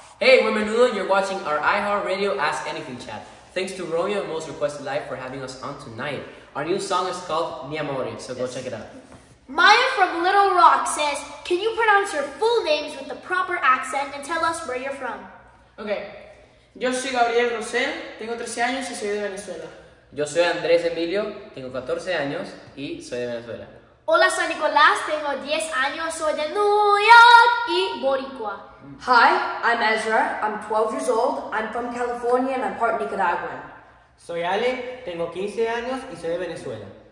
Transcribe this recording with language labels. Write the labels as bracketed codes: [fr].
[en] Hey, we're Menudo, and you're watching our iHeartRadio Ask Anything chat. Thanks to Romeo and Most Requested Live for having us on tonight. Our new song is called Mi Amore, so go check it out. Maya from Little Rock says, can you pronounce your full names with the proper accent and tell us where you're from? Okay. [es] Yo soy Gabriel Rosel, tengo 13 años y soy de Venezuela. Yo soy Andrés Emilio, tengo 14 años y soy de Venezuela. Hola, soy Nicolás, tengo 10 años, soy de New York y Boricua. [en] Hi, I'm Ezra, I'm 12 years old, I'm from California and I'm part Nicaraguan. [es] Soy Ale, tengo 15 años y soy de Venezuela.